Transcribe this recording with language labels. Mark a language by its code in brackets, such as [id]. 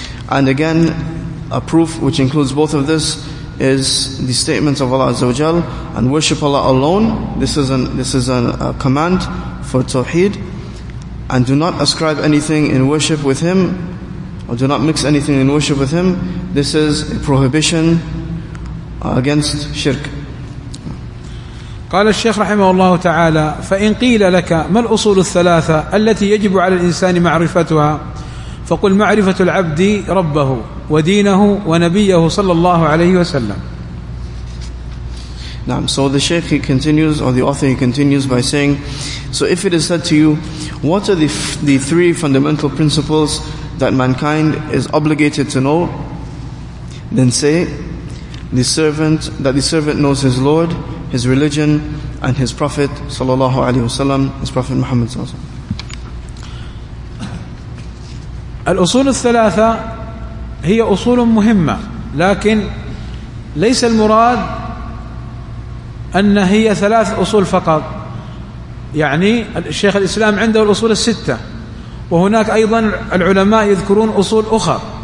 [en] And again, a proof which includes both of this is the statement of Allah Azza wa Jal, and worship Allah alone. This is a command for Tawheed. And do not ascribe anything in worship with Him, or do not mix anything in worship with Him. This is a prohibition against shirk. [ar] قال الشيخ رحمه الله تعالى فإن قيل لك ما الأصول الثلاثة التي يجب على الإنسان معرفتها فقل معرفة العبد ربه ودينه ونبيه صلى الله عليه وسلم. نعم. [en] So the Shaykh, he continues, or the author, he continues by saying, so if it is said to you, what are the three fundamental principles that mankind is obligated to know, then say that the servant knows his Lord, his religion, and his Prophet sallallahu alaihi wasallam, his Prophet Muhammad sallallahu alaihi wasallam. [ar] الأصول الثلاثة هي أصول مهمة، لكن ليس المراد أن هي ثلاث أصول فقط. يعني الشيخ الإسلام عنده الأصول الستة، وهناك أيضا العلماء يذكرون أصول أخرى.